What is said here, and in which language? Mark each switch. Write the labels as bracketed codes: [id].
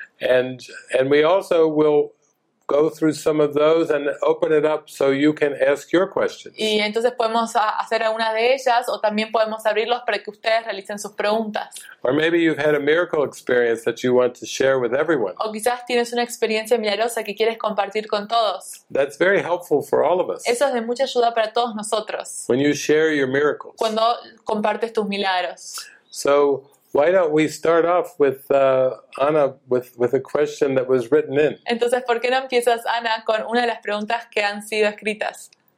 [en] And we also will go through some of those and open it up so you can ask your questions. [es] Y entonces podemos hacer algunas de ellas o también podemos abrirlos para que ustedes realicen sus preguntas. [en] Or maybe you've had a miracle experience that you want to share with everyone. [es] O quizás tienes una experiencia milagrosa que quieres compartir con todos. [en] That's very helpful for all of us. [es] Eso es de mucha ayuda para todos nosotros. [en] When you share your miracles. [es] Cuando compartes tus milagros. [en] So why don't we start off with Anna with a question that was written in? [es] Entonces, ¿por qué no empiezas, Anna, con una de las preguntas que han sido escritas?